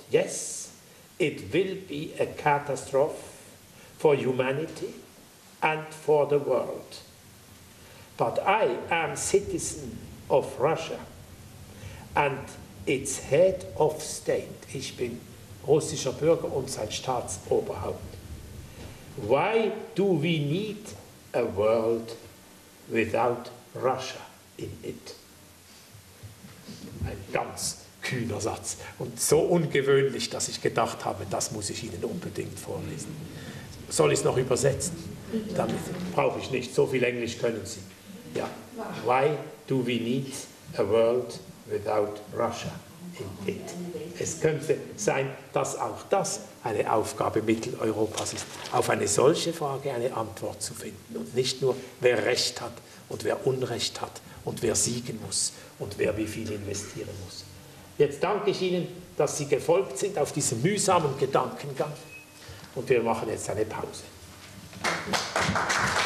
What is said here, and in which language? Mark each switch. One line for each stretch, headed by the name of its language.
English: Yes, it will be a catastrophe for humanity and for the world. But I am citizen of Russia and its head of state.
German: Ich bin russischer Bürger und sein Staatsoberhaupt.
English: Why do we need a world without Russia in it?
German: Ein ganz kühner Satz und so ungewöhnlich, dass ich gedacht habe, das muss ich Ihnen unbedingt vorlesen. Soll ich es noch übersetzen? Damit brauche ich nicht. So viel Englisch können Sie. Ja.
English: Why do we need a world without Russia in it?
German: Es könnte sein, dass auch das eine Aufgabe Mitteleuropas ist, auf eine solche Frage eine Antwort zu finden und nicht nur, wer Recht hat und wer Unrecht hat und wer siegen muss und wer wie viel investieren muss. Jetzt danke ich Ihnen, dass Sie gefolgt sind auf diesem mühsamen Gedankengang und wir machen jetzt eine Pause. Danke.